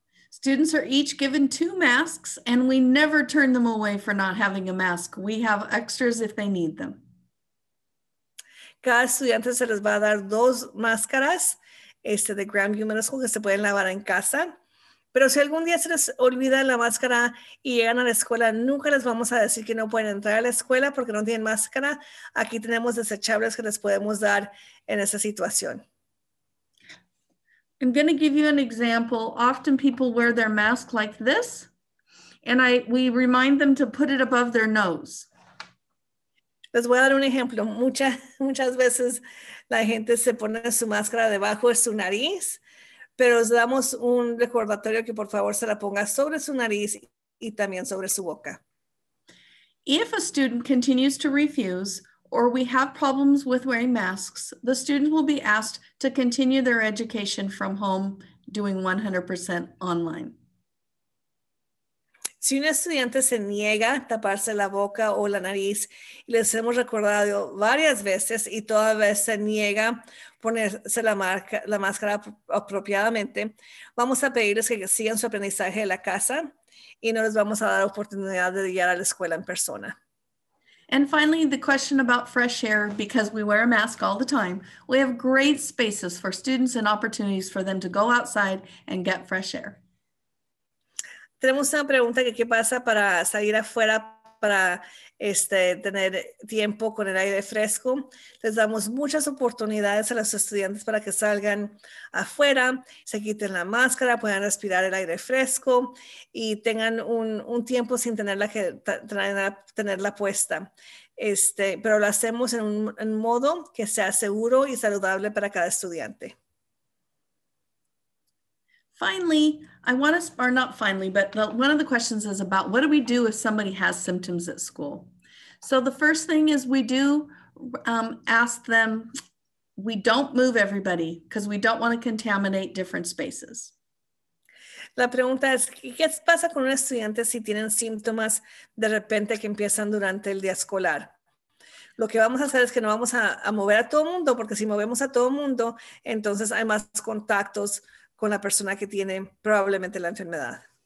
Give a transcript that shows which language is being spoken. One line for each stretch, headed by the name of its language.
English: Students are each given 2 masks and we never turn them away for not having a mask. We have extras if they need them.
Spanish: Cada estudiante se les va a dar 2 máscaras de Grandview Middle School que se pueden lavar en casa. Pero si algún día se les olvida la máscara y llegan a la escuela, nunca les vamos a decir que no pueden entrar a la escuela porque no tienen máscara. Aquí tenemos desechables que les podemos dar en esa situación.
English: I'm going to give you an example. Often people wear their mask like this, and we remind them to put it above their nose.
Spanish: Les voy a dar un ejemplo. Muchas veces la gente se pone su máscara debajo de su nariz, pero les damos un recordatorio que por favor se la ponga sobre su nariz y también sobre su boca.
English: If a student continues to refuse, or we have problems with wearing masks, the student will be asked to continue their education from home doing 100% online.
Spanish: Si un estudiante se niega a taparse la boca o la nariz, y les hemos recordado varias veces y toda vez se niega ponerse la máscara apropiadamente, vamos a pedirles que sigan su aprendizaje en la casa y no les vamos a dar oportunidad de llegar a la escuela en persona.
English: And finally, the question about fresh air, because we wear a mask all the time, we have great spaces for students and opportunities for them to go outside and get fresh air.
Spanish: Tenemos una pregunta que qué pasa para salir afuera para tener tiempo con el aire fresco. Les damos muchas oportunidades a los estudiantes para que salgan afuera, se quiten la máscara, puedan respirar el aire fresco y tengan un tiempo sin tenerla puesta. Pero lo hacemos en un modo que sea seguro y saludable para cada estudiante.
English: Finally, one of the questions is about what do we do if somebody has symptoms at school? So the first thing is we do ask them, we don't move everybody because we don't want to contaminate different spaces.
Spanish: La pregunta es, ¿qué pasa con un estudiante si tienen síntomas de repente que empiezan durante el día escolar? Lo que vamos a hacer es que no vamos a mover a todo mundo porque si movemos a todo mundo, entonces hay más contactos con la persona que tiene probablemente la enfermedad.